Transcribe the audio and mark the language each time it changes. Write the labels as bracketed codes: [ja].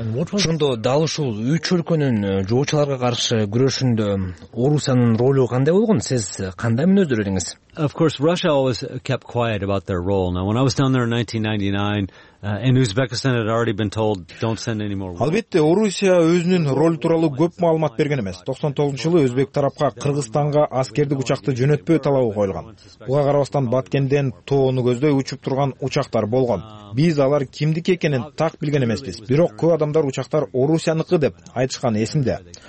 [ky] Ошондо дал ушул 3 өлкөнүн жоочуларга каршы күрөшүндө Орусиянын ролу кандай болгон? Сиз кандай мүнөздөр элеңиз? [en] Of course, Russia always kept quiet about their role. Now, when I was down there in 1999, and Uzbekistan had already been told, don't send any more... [ky] Албетте, Орусия өзүнүн ролу тууралуу көп маалымат берген эмес. 99-жылы өзбек тарапка Кыргызстанга аскердик учакты жөнөтпөө талабы коюлган. Буга карабастан Баткенден тоону көздөй учуп турган учактар болгон. Биз алар кимдики экенин так билген эмеспиз. Бирок көп адамдар учактар Орусиянкы деп айтышканы эсимде.